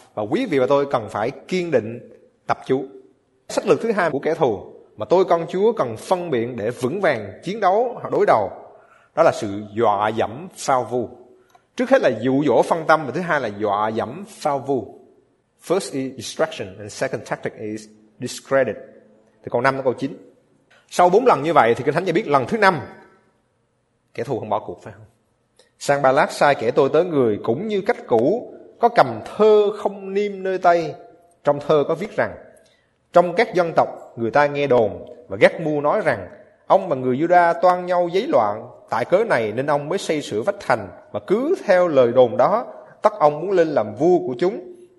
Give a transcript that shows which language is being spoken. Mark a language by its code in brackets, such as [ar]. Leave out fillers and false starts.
[vi] Và quý vị và tôi cần phải kiên định tập chú. Sách lược thứ hai của kẻ thù mà tôi con Chúa cần phân biện để vững vàng chiến đấu hoặc đối đầu, đó là sự dọa dẫm phao vu. Trước hết là dụ dỗ phân tâm, và thứ hai là dọa dẫm phao vu. [en] First is distraction and second tactic is discredit. [vi] Thì câu 5 đến câu 9. Sau 4 lần như vậy thì Kinh Thánh cho biết lần thứ 5 kẻ thù không bỏ cuộc phải không? Sanballat sai kẻ tôi tới người cũng như cách cũ, có cầm thơ không niêm nơi tay. Trong thơ có viết rằng: trong các dân tộc người ta nghe đồn và gác mu nói rằng ông và người Giu-đa toan nhau giấy loạn, tại cớ này nên ông mới xây sửa vách thành, và cứ theo lời đồn đó tất ông muốn lên làm vua của chúng.